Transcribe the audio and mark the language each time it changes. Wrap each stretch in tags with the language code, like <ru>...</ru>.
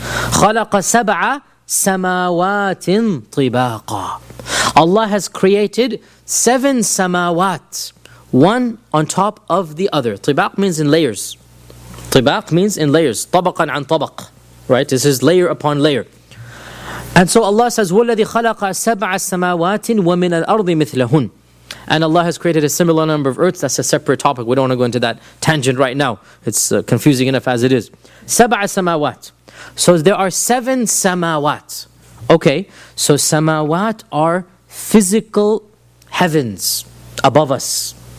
<ar>خَلَقَ سَبْعَ سَمَاوَاتٍ طِبَاقًا.</ar> <en>Allah has created seven samawat, one on top of the other. طِبَاق means in layers. طِبَاق means in layers.</en> <ar>طَبَقًا عَن طَبَق.</ar> <en>Right? This is layer upon layer. And so Allah says,</en> <ar>وَالَّذِي خَلَقَ سَبْعَ سَمَاوَاتٍ وَمِنَ الْأَرْضِ مِثْلَهُنْ.</ar> <en>And Allah has created a similar number of earths. That's a separate topic. We don't want to go into that tangent right now. It's confusing enough as it is. سَبْعَ samawat. So there are seven samawat. Okay, so samawat are physical heavens above us.</en>